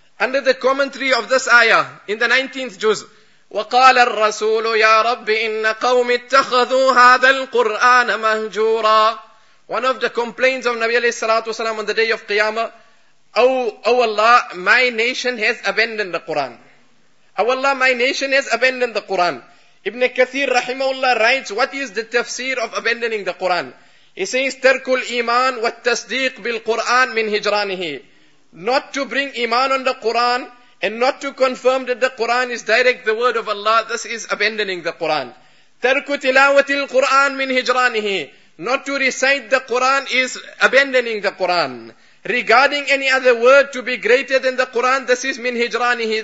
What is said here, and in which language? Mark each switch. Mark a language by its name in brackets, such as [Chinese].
[English] Under the commentary of this ayah, in the 19th juz, [Arabic] وَقَالَ الرَّسُولُ يَا رَبِّ إِنَّ قَوْمِ اتَّخَذُوا هَذَا الْقُرْآنَ مَهْجُورًا. [English] One of the complaints of Nabi alayhi salatu wasalam on the day of Qiyamah, Oh Allah, my nation has abandoned the Quran. Oh Allah, my nation has abandoned the Quran. Ibn Kathir rahimahullah writes, what is the tafsir of abandoning the Quran? He says, [Arabic] تَرْكُ الْإِيمَانِ وَالتَّصْدِيقِ بِالْقُرْآنِ مِنْ هِجْرَانِهِ. [English] Not to bring iman on the Quran and not to confirm that the Quran is direct the word of Allah, this is abandoning the Quran. [Arabic] تَرْكُ تِلَاوَةِ الْقُرْآنِ مِنْ هِجْرَانِهِ. [English] Not to recite the Quran is abandoning the Quran. Regarding any other word to be greater than the Quran, this is [Arabic] min hijranihi.